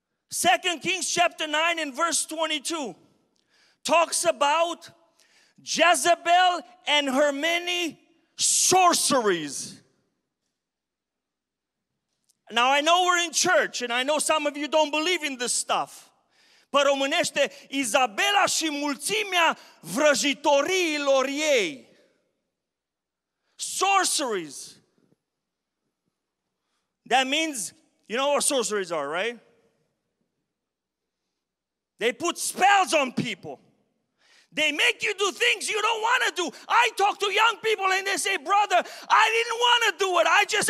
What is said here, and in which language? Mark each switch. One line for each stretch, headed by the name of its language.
English: 2 Kings chapter 9 and verse 22 talks about Jezebel and her many sorceries. Now, I know we're in church, and I know some of you don't believe in this stuff.
Romanian: Păi românește, Izabela și mulțimea vrăjitoriilor ei.
English: Sorceries. That means, you know what sorceries are, right? They put spells on people. They make you do things you don't want to do. I talk to young people and they say, brother, I didn't want to do it.